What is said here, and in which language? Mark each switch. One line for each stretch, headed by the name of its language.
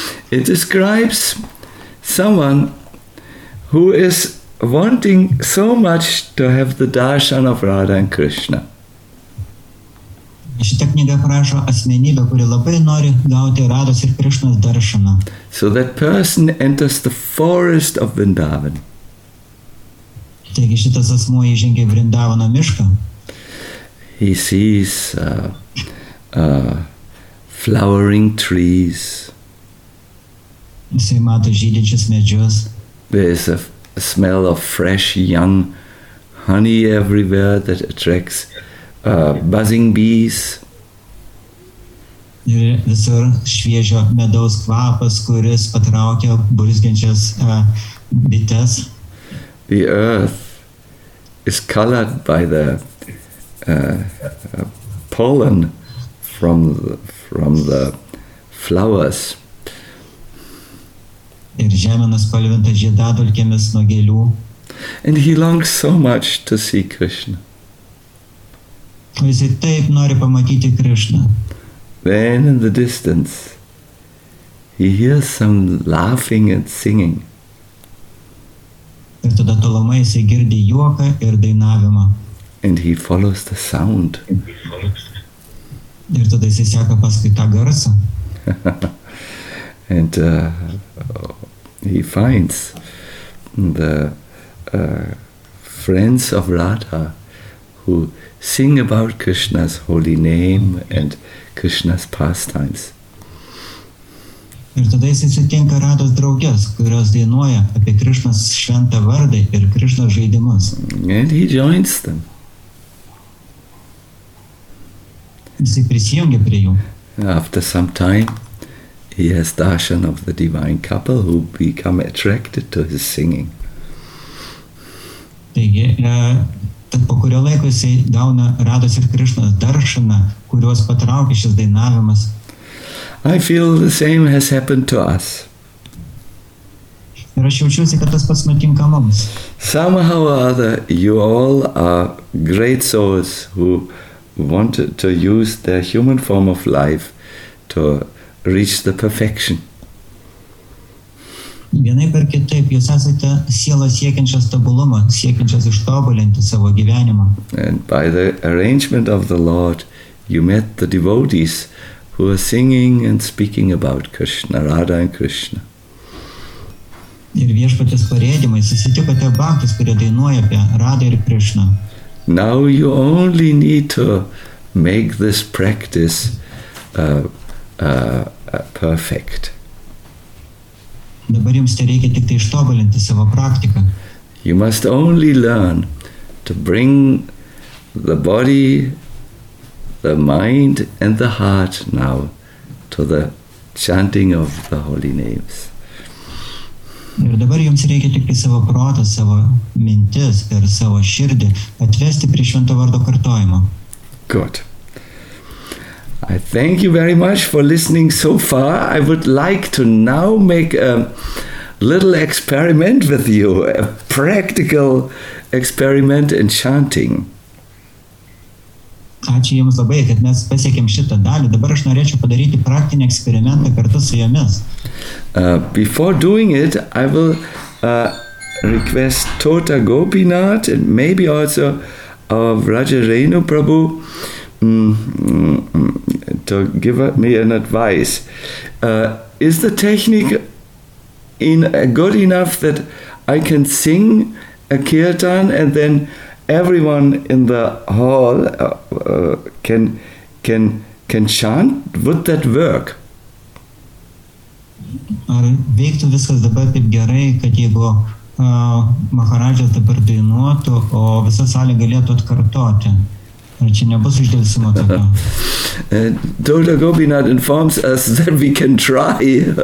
English: It describes someone who is wanting so much to have the darshan of Radha and Krishna.
Lithuanian: Šita knyga prašo asmenybę, kuri labai nori gauti Radhos ir Krishnos darshaną.
English: So that person enters the forest of Vrindavan.
Lithuanian: Taigi šitas asmuo įžengia Vrindavano mišką.
English: He sees flowering trees.
Lithuanian: Jisai mato žydinčius medžius.
English: There is a smell of fresh, young honey everywhere that attracts buzzing bees.
Lithuanian: Ir visur šviežio medaus kvapas, kuris patraukia burzgiančias bites.
English: The earth is colored by the pollen from the flowers.
Lithuanian: Ir žemė nuspalvinta žiedadulkėmis nuo gėlių.
English: And he longs so much to see Krishna.
Lithuanian: Jis taip nori pamatyti Krishna.
English: Then in the distance, he hears some laughing and singing.
Lithuanian: Ir tada tolumai jis girdi juoką ir dainavimą.
English: And he follows the sound.
Lithuanian: Ir tada jis seka paskui tą garsą.
English: And he finds the friends of Radha who sing about Krishna's holy name and Krishna's pastimes.
Lithuanian: Ir tada jis sutinka Radhos draugės, kurios dainuoja apie Krishnos šventą vardą ir Krishnos žaidimus.
English: And he joins them.
Lithuanian: Jis prisijungia prie jų.
English: After some time, he has darshan of the divine couple who become attracted to his singing.
Lithuanian: Taigi, tad po kurio laiko jis gauna Radhos ir Krishnos darshaną, kuriuos patraukia šis dainavimas.
English: I feel the same has happened to us.
Lithuanian: Ir aš jaučiuosi, kad tas pats nutinka mums.
English: Somehow or other, you all are great souls who want to use their human form of life to reach the perfection.
Lithuanian: Vienaip ar kitaip, jūs esate sielos siekiančios tobulumą, siekiančios ištobulinti savo gyvenimą.
English: And by the arrangement of the Lord, you met the devotees who are singing and speaking about Krishna, Radha and Krishna.
Lithuanian: Ir viešpatės parėdimai susitikote bhaktus, kurie dainuoja apie Radha ir Krishna.
English: Now you only need to make this practice perfect.
Lithuanian: Dabar jums reikia tik ištobulinti savo praktiką.
English: You must only learn to bring the body, the mind and the heart now to the chanting of the holy names.
Lithuanian: Ir dabar jums reikia tik savo protą, savo mintis ir savo širdį atvesti prie švento vardo kartojimo.
English: Good. I thank you very much for listening so far. I would like to now make a little experiment with you, a practical experiment in chanting.
Lithuanian: Ačiū Jums labai, kad mes pasiekėm šitą dalį. Dabar aš norėčiau padaryti praktinį eksperimentą kartu su Jumis.
English: Before doing it, I will request Tota Gopinath and maybe also our Vraja Renu Prabhu to give me an advice. Is the technique in good enough that I can sing a kirtan and then everyone in the hall can chant? Would that work?
Lithuanian: Ar veiktų viskas dabar taip gerai, kad jeigu Maharadžas dabar dainuotų, o visa salė galėtų atkartoti? Ar čia nebus uždėlsimo tada?
English: Dr. Gopinath informs us that we can try.